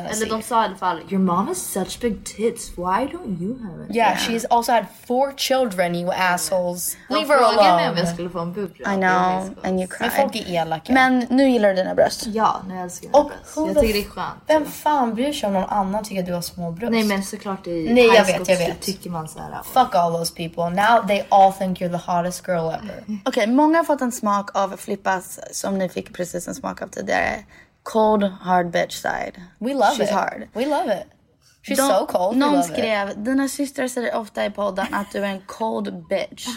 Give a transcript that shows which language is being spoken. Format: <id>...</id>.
<sv>Eller de sa i alla fall,</sv> <en>your mom has such big tits. Why don't you have it? Yeah, she's also had 4 children, you assholes. Leave her alone.</en> <sv>Jag frågade mig om jag skulle få en boob</sv> <en>job. I know, and you cried.</en> <sv>Men folk är elaka. Men nu gillar du dina bröst. Ja, nu älskar jag. Jag tycker det är skönt. Vem fan bryr sig om någon annan tycker att du har små bröst? Nej, men såklart i jag vet. Tycker man såhär.</sv> <en>Fuck all those people. Now they all think you're the hottest girl ever.</en> <sv>Okej, många har fått en smak av Flippas, som ni fick precis en smak av tidigare.</sv> <en>Cold, hard bitch side. We love She's it. She's hard. We love it. She's so cold.</en> <sv>Någon skrev, dina systrar säger ofta i podden att du är en</sv> <en>cold bitch.</en>